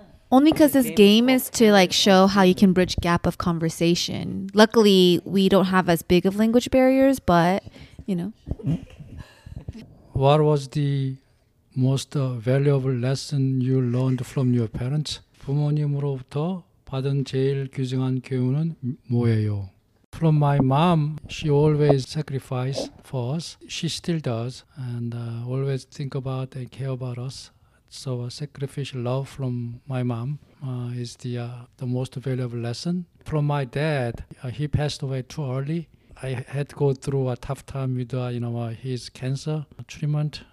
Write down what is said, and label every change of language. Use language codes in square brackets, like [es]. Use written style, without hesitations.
[en] Only because this game is to like show how you can bridge gap of conversation. Luckily, we don't have as big of language barriers, but, you know. What was the most valuable lesson you learned from your parents? [ko] 부모님으로부터 받은 제일 귀중한 교훈은 뭐예요? [en] From my mom, she always sacrificed for us. She still does, and always think about and care about us. So a sacrificial love from my mom is the most valuable lesson. From my dad, he passed away too early. I had to go through a tough time with his cancer treatment.